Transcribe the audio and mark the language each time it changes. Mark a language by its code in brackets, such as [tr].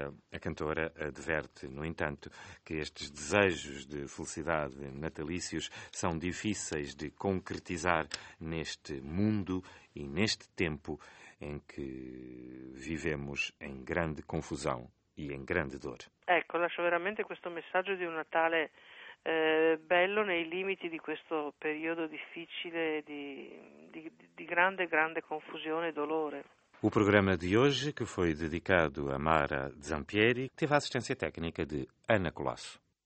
[pt] A cantora adverte, no entanto, que estes desejos de felicidade natalícios são difíceis de concretizar neste mundo e neste tempo em que vivemos em grande confusão e em grande dor. [it] Ecco, lascio veramente questo messaggio di un Natale bello nei limiti di questo periodo difficile di grande, grande confusione e dolore. [pt] O programa de hoje, que foi dedicado a Mara Zampieri, teve a assistência técnica de Ana Colasso.